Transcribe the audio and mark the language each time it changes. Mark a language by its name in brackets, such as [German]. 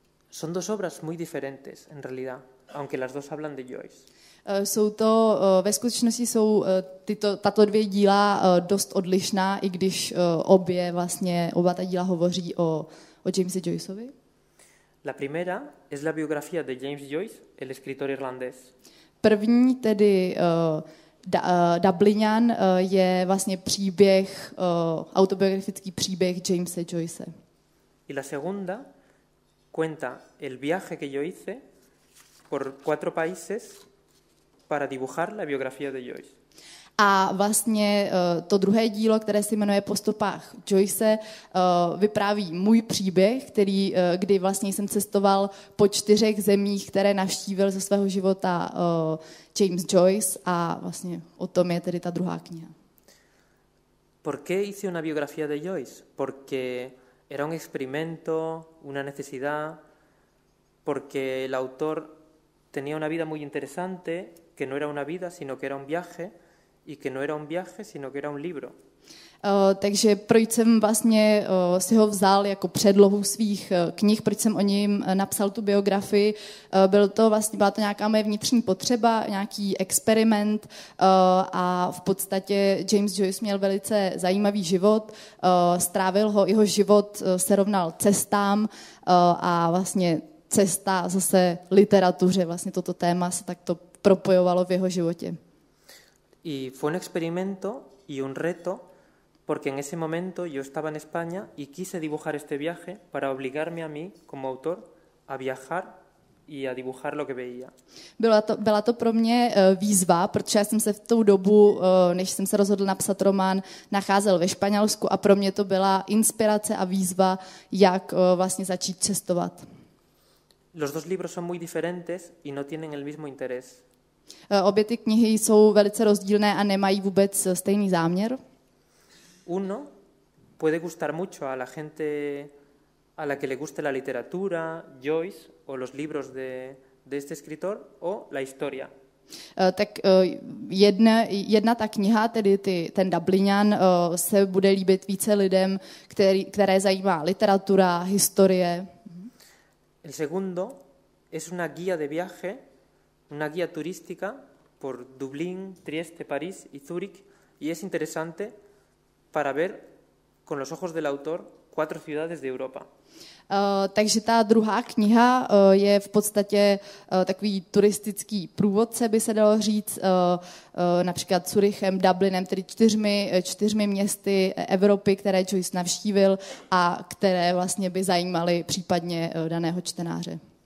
[Spanish] Son dos obras muy diferentes en realidad, aunque las dos hablan de Joyce. [Czech] Jsou to ve skutečnosti jsou tato dvě díla dost odlišná, i když oba ta díla hovoří o Jamesi Joyceovi. [Spanish] La primera es la biografía de James Joyce, el escritor irlandés. [Czech] První tedy Dublinian je vlastně příběh autobiografický příběh Jamesa Joyce. [Spanish] Y la segunda cuenta el viaje que yo hice por cuatro países para dibujar la biografía de Joyce. [Czech] A vlastně to druhé dílo, které se jmenuje Po stopách Joyce, vypráví můj příběh, kdy vlastně jsem cestoval po čtyřech zemích, které navštívil ze svého života James Joyce, a vlastně o tom je tedy ta druhá kniha. [Spanish] ¿Por qué hice una biografía de Joyce? Porque era un experimento, una necesidad, porque el autor tenía una vida muy interesante, que no era una vida, sino que era un viaje, y que no era un viaje, sino que era un libro. [Czech] Takže proč jsem vlastně si ho vzal jako předlohu svých knih, proč jsem o něm napsal tu biografii, byl to vlastně, byla to nějaká moje vnitřní potřeba, nějaký experiment a v podstatě James Joyce měl velice zajímavý život, strávil ho, jeho život se rovnal cestám a vlastně cesta zase literatuře, vlastně toto téma se takto propojovalo v jeho životě. [Spanish] Y fue un experimento y un reto, porque en ese momento yo estaba en España y quise dibujar este viaje para obligarme a mí como autor a viajar y a dibujar lo que veía. [Czech] Byla to pro mě výzva, protože já jsem se v tou dobu, než jsem se rozhodl napsat román, nacházel ve Španělsku a pro mě to byla inspirace a výzva, jak vlastně začít cestovat. [Spanish] Los dos libros son muy diferentes y no tienen el mismo interés. [Czech] Obě ty knihy jsou velice rozdílné a nemají vůbec stejný záměr. [Spanish] Uno puede gustar mucho a la gente a la que le guste la literatura, Joyce o los libros de este escritor o la historia. [Czech] Tak jedna ta kniha, tedy ten Dublinian, se bude líbit více lidem, které zajímá literatura, historie. [Spanish] El segundo es una guía de viaje, una guía turística por Dublín, Trieste, París y Zúrich y es interesante para ver con los ojos del autor cuatro ciudades de Europa. [Czech] Takže ta druhá kniha je v podstatě takový turistický průvodce, by se dalo říct, například Zurichem, Dublinem, tedy čtyřmi městy Evropy, které Joyce navštívil a které vlastně by zajímaly případně daného čtenáře.